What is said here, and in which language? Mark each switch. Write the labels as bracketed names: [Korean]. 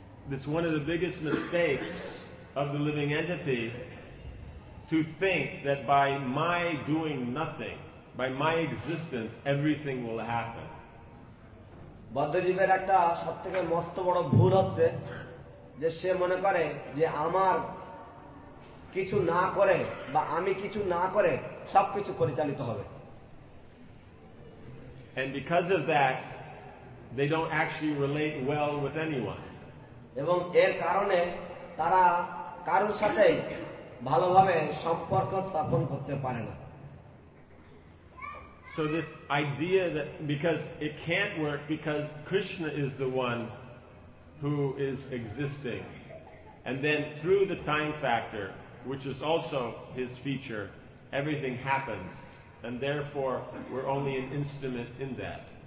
[English] It's one of the biggest mistakes of the living entity to think that by my doing nothing, by my existence, everything will happen. [Bangla] বদ্ধজীবের একটা সবথেকে মস্ত বড় ভুল হচ্ছে যে সে মনে করে যে আমার কিছু না করে বা আমি কিছু না করে সব কিছু পরিচালিত হবে. [English] And because of that, they don't actually relate well with anyone. [Bangla] এবং এর কারণে তারা কারোর সাথে ভালোভাবে সম্পর্ক স্থাপন করতে পারে না. [English] So this idea that because it can't work because Krishna is the one who is existing, and then through the time factor, which is also his feature, everything happens, and therefore we're only an instrument in that.